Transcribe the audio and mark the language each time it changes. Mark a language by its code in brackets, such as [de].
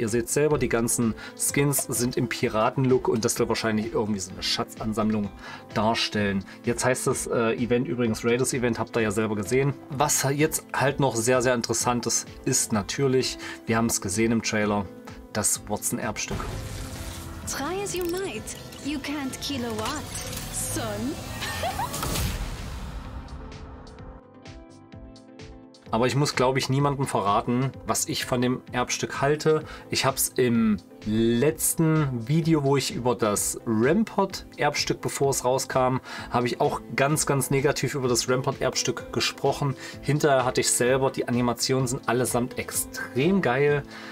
[de] Ihr seht selber, die ganzen Skins sind im Piratenlook und das soll wahrscheinlich irgendwie so eine Schatzansammlung darstellen. Jetzt heißt das Event übrigens Raiders Event, habt ihr ja selber gesehen. Was jetzt halt noch sehr, sehr interessant ist, ist natürlich, wir haben es gesehen im Trailer, das Watson-Erbstück. [en] Try as you might, you can't kill a watt, son. [de] Aber ich muss, glaube ich, niemandem verraten, was ich von dem Erbstück halte. Ich habe es im letzten Video, wo ich über das Rampart-Erbstück, bevor es rauskam, habe ich auch ganz, ganz negativ über das Rampart-Erbstück gesprochen. Hinterher hatte ich selber, die Animationen sind allesamt extrem geil.